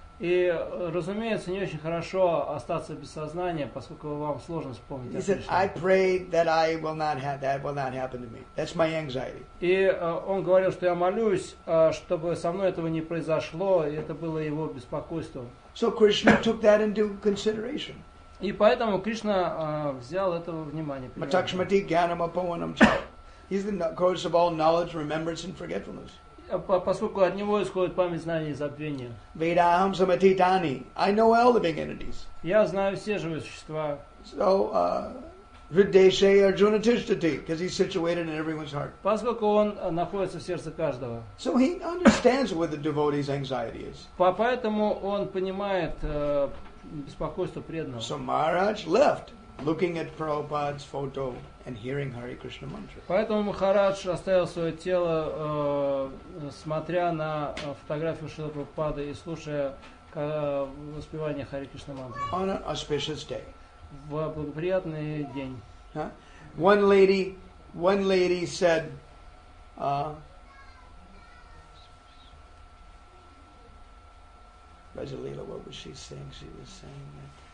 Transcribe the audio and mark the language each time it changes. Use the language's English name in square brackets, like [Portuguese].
[Russian] И, разумеется, не очень хорошо остаться без сознания, поскольку вам сложно вспомнить. [English] He said, I pray that I will not have that will not happen to me. That's my anxiety. [Russian] И он говорил, что я молюсь, чтобы со мной этого не произошло, и это было его беспокойство. [English] So Krishna took that into consideration. [Russian] И поэтому Кришна взял это во внимание. [Sanskrit] Matakshmati gyanam apavanam cha. [English] He's the cause of all knowledge, remembrance and forgetfulness. [Russian] Поскольку от него исходит память, знание и забвение. [Sanskrit] Vedaham samatitani. [English] I know all living entities. [Russian] Я знаю все живые существа. [English] So, [Sanskrit] Vrideshe Arjuna tishtati, [English] because he's situated in everyone's heart. [Russian] Поскольку он находится в сердце каждого. [English] So he understands what the devotee's anxiety is. [Russian] Поэтому он понимает беспокойство преданного. [English] So Maharaj left, looking at Prabhupada's photo and hearing Hare Krishna mantra. [Russian] Поэтому Махарадж оставил свое тело, смотря на фотографию Шрилы Прабхупады и слушая воспевание Хари Кришна мантры. [English] On an auspicious day. [Russian] В благоприятный день. Huh? [English] One lady said, Rajalila, what was she saying? She was saying that.